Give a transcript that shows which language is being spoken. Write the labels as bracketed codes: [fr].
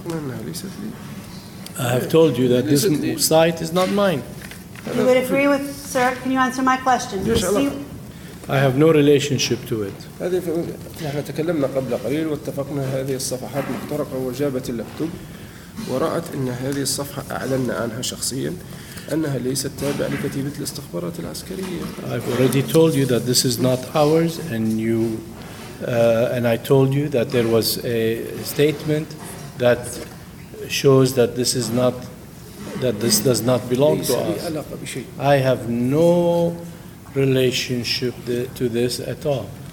[en] I have told you that this site is not mine. You would agree with, sir, can you answer my question? I have no relationship to it. [ar] نحن تكلمنا قبل قليل واتفقنا هذه الصفحات مخترقة وجابت اللابتوب ورأت أن هذه الصفحة أعلننا عنها شخصياً أنها ليست تابعة لكتيبة الاستخبارات العسكرية. [en] I've already told you that this is not ours and I told you that there was a statement that shows that this is not, that this does not belong to us. I have no relationship to this at all.